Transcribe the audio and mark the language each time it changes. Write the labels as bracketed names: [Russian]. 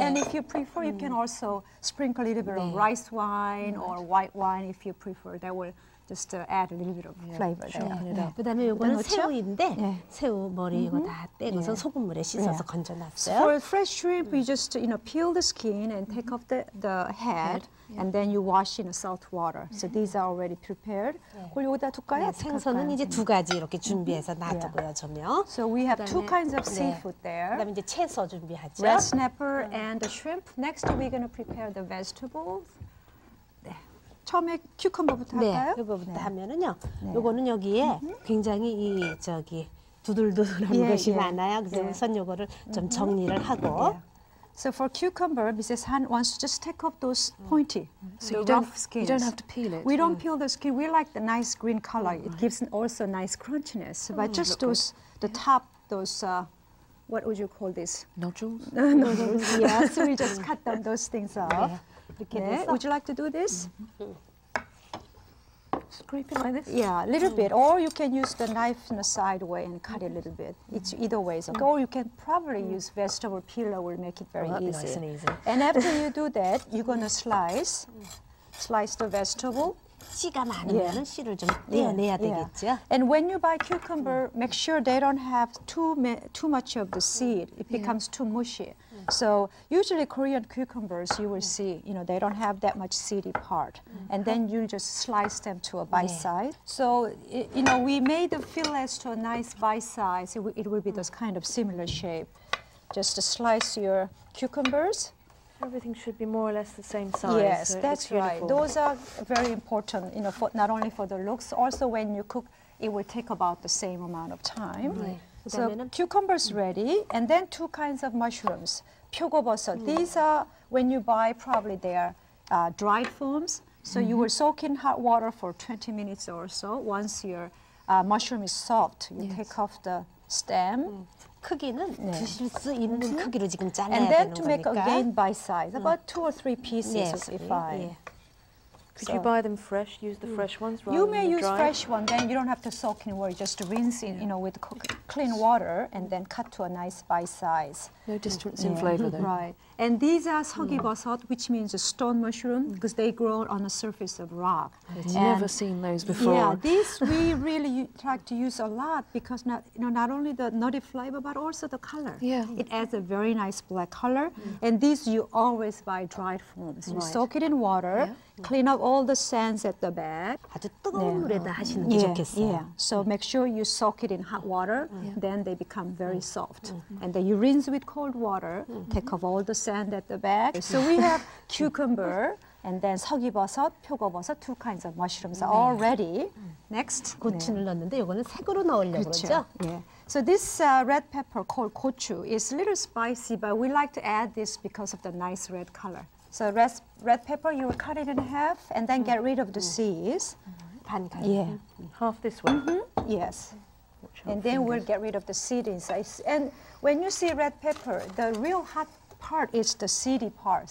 [English] And if you prefer, you can also sprinkle a little bit of rice wine or white wine if you prefer. That will just add a little bit of flavor. [Korean] 네. 그다음에 요거는 새우인데 새우 머리 이거 다 떼고서 소금물에 씻어서 건져놨어요. [English] For fresh shrimp, you just, you know, peel the skin and take off the head, and then you wash in salt water. So these are already prepared. [Korean] 그걸 여기다 둘까요? 생선은 이제 두 가지 이렇게 준비해서 놔두고요, 전혀. [English] So we have two kinds of seafood there. [Korean] 그다음에 이제 채소 준비하죠. [English] Red snapper and the shrimp. Next, we're going to prepare the vegetables. [Korean] 처음에 큐컴버부터 할까요? 큐컴버부터 하면은요. 요거는 여기에 굉장히 이 저기 두들두들한 것이 많아요. 그래서 우선 요거를 좀 정리를 하고 [English] So for cucumber, Mrs. Han wants to just take off those pointy, so the rough skins. You don't have to peel it. We don't peel the skin. We like the nice green color. Right. It gives also nice crunchiness. But just those, good. The top, those, what would you call this? Nodules? Nodules, yes. So we just cut them, those things off. Yeah. Yeah. Would you like to do this? Scrape it like this? Yeah, a little bit. Or you can use the knife in the side way and cut it a little bit. It's either way. So or you can probably use vegetable peeler will make it very easy. Nice and easy. And after you do that, you're going to slice the vegetable. [Korean] 씨가 많으면 씨를 좀 떼어내야 되겠죠. [English] And when you buy cucumber, make sure they don't have too much of the seed. It becomes too mushy. So usually Korean cucumbers, you will see, you know, they don't have that much seedy part. And then you just slice them to a bite size. So, you know, we made the fillets to a nice bite size. It will be this kind of similar shape. Just to slice your cucumbers. Everything should be more or less the same size. Yes, so that's right. Those are very important, you know, for not only for the looks, also when you cook, it will take about the same amount of time. Right. So cucumbers ready, and then two kinds of mushrooms. [Korean] 표고버섯. [English] These are, when you buy, probably they are dried forms. So you will soak in hot water for 20 minutes or so. Once your mushroom is soft, you take off the stem. [Korean] 크기는 드실 수 있는 크기로 지금 잘라야 되는 [English] And then to make [Korean] 거니까. [English] Again by size, about two or three pieces would be fine. Could you buy them fresh, use the fresh ones rather You may than dry? Fresh one, then you don't have to soak in water, just rinse in, you know, with clean water and then cut to a nice bite size. No difference in flavor though. Right. And these are 서기버섯, which means a stone mushroom, because they grow on the surface of rock. I've never seen those before. Yeah, these we really try to use a lot because not, you know, not only the nutty flavor, but also the color. Yeah. It adds a very nice black color. And these you always buy dried forms. You soak it in water, clean up all the sands at the back. [Korean] 아주 뜨거운 물에다 하시는 게 좋겠어요. [English] Yeah. So make sure you soak it in hot water. Then they become very soft. And then you rinse with cold water, take off all the sand at the back. So we have cucumber, and then 서기버섯, 표고버섯, two kinds of mushrooms are all ready. Next. [Korean] 고추 넣었는데 이거는 색으로 넣으려고 그렇죠? 그러죠? [English] So this red pepper called 고추 is a little spicy, but we like to add this because of the nice red color. So red pepper, you will cut it in half, and then get rid of the seeds. [Korean] 반 가지. [English] Half this way. Yes. And then we'll get rid of the seed inside. And when you see red pepper, the real hot part is the seedy part.